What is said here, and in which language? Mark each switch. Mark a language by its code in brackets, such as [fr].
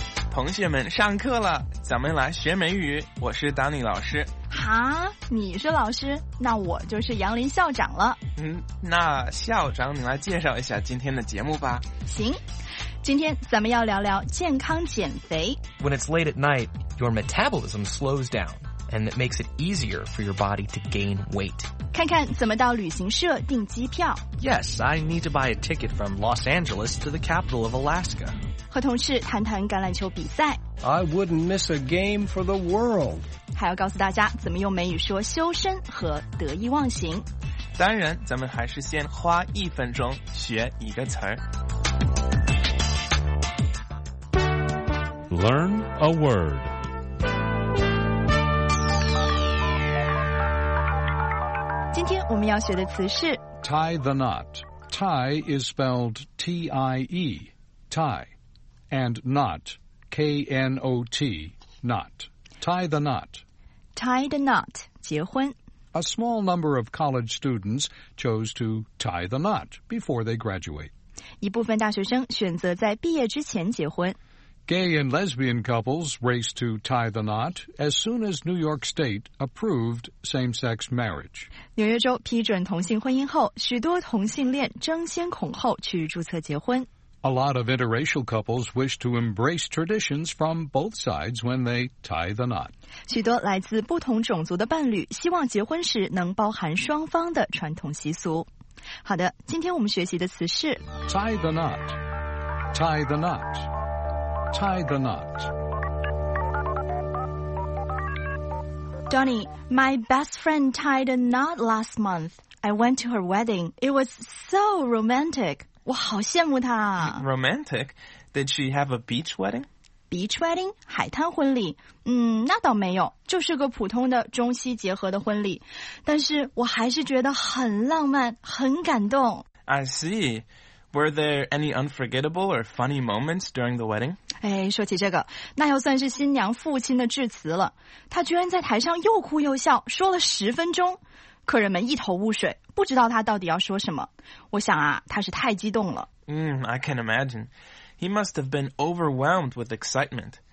[zh] 同学们上课了，咱们来学美语。我是丹尼老师。哈，你是老师，那我就是杨林校长了。那校长你来介绍一下今天的节目吧。行，今天咱们要聊聊健康减肥。 [en] When it's late at night, your metabolism slows down, and it makes it easier for your body to gain weight. [zh] 看看怎么到旅行社订机票。 [en] Yes, I need to buy a ticket from Los Angeles to the capital of Alaska. [zh] 和同事谈谈橄榄球比赛。 [en] I wouldn't miss a game for the world. [zh] 还要告诉大家怎么用美语说修身和得意忘形。当然，咱们还是先花一分钟学一个词儿。 [en] Learn a word. [zh] 今天我们要学的词是 [en] tie the knot. Tie is spelled T-I-E, tie, and knot, K-N-O-T, knot. Tie the knot. Tie the knot, [zh] 结婚 [en] A small number of college students chose to tie the knot before they graduate. [zh] 一部分大学生选择在毕业之前结婚 [en] Gay and lesbian couples race to tie the knot as soon as New York State approved same-sex marriage. [zh] 纽约州批准同性婚姻后，许多同性恋争先恐后去注册结婚。 [en] A lot of interracial couples wish to embrace traditions from both sides when they tie the knot. [zh] 许多来自不同种族的伴侣希望结婚时能包含双方的传统习俗。好的，今天我们学习的词是 [en] tie the knot. Tie the knot. Tie the knot. Donny, my best friend tied a knot last month. I went to her wedding. It was so romantic. [zh] 我好羡慕她。 [en] Romantic? Did she have a beach wedding? Beach wedding? [zh] 海滩婚礼？那倒没有，就是个普通的中西结合的婚礼。但是我还是觉得很浪漫，很感动。 [en] I see. Were there any unforgettable or funny moments during the wedding? [zh] 哎，说起这个，那又算是新娘父亲的致辞了。他居然在台上又哭又笑，说了十分钟，客人们一头雾水，不知道他到底要说什么。我想啊，他是太激动了。 [en] I can imagine. He must have been overwhelmed with excitement.